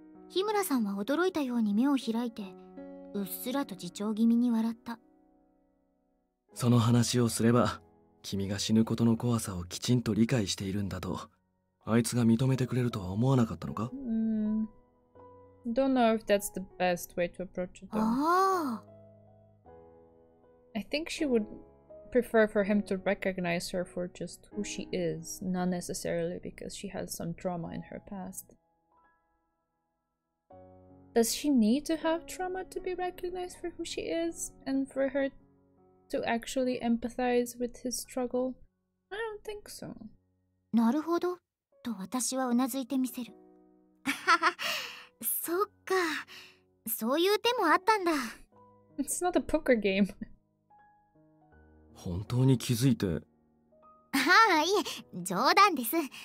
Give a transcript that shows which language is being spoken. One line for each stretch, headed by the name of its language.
Japanese: 日村さんは驚いたように目を開いて、うっすらと自嘲気味に笑った。その話をすれば、君が死ぬことの怖さをきちんと理解しているんだと、あいつが認めてくれるとは思わなかったのか。
English: Don't know if that's the best way to approach it. Oh. I think she would prefer for him to recognize her for just who she is, not necessarily because she has some trauma in her past. Does she need to have trauma to be recognized for who she is and for her to actually empathize with his struggle? I don't think so.
Japanese: なるほど、と私はうなずいてみせる。そっか、そういう手もあったんだ。
English: It's not a poker game.
Japanese: 本当に気づいて。ああ、いえ、冗談です。